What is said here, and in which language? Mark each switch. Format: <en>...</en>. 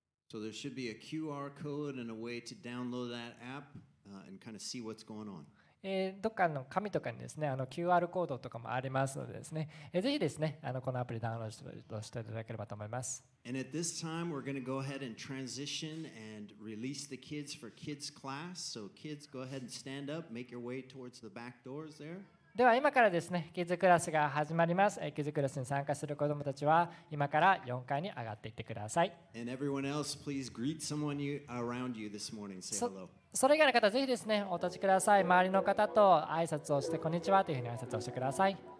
<en>So there should be a QR code and a way to download that app and kind of see what's going on.</en> <ja>どっかの紙とかにですね、QR コードとかもありますのでですね、ぜひですね、このアプリダウンロードしていただければと思います。</ja> <en>And at this time, we're going to go ahead and transition and release the kids for kids class. So kids, go ahead and stand up, make your way towards the back doors there.</en> <ja>では今からですね、キッズクラスが始まります。キッズクラスに参加する子どもたちは今から4階に上がっていってください。</ja> <en>And everyone else, please greet someone around you this morning. Say hello.</en> <ja>それ以外の方、ぜひですね、お立ちください。周りの方と挨拶をして、こんにちはというふうに挨拶をしてください。</ja>